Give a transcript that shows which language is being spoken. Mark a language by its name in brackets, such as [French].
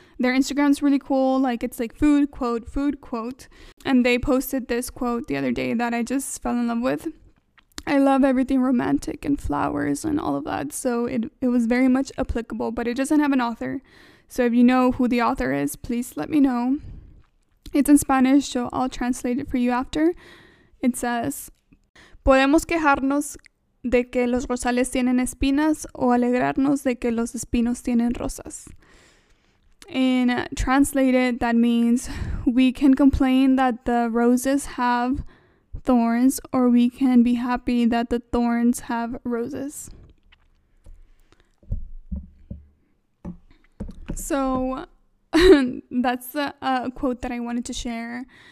[English] Their Instagram's really cool, like it's like food quote, and they posted this quote the other day that I just fell in love with. I love everything romantic and flowers and all of that. So it was very much applicable, but it doesn't have an author. So if you know who the author is, please let me know. It's in Spanish, so I'll translate it for you after. It says, [Spanish] podemos quejarnos de que los rosales tienen espinas o alegrarnos de que los espinos tienen rosas. [English] And translated, that means we can complain that the roses have thorns, or we can be happy that the thorns have roses. So that's a quote that I wanted to share.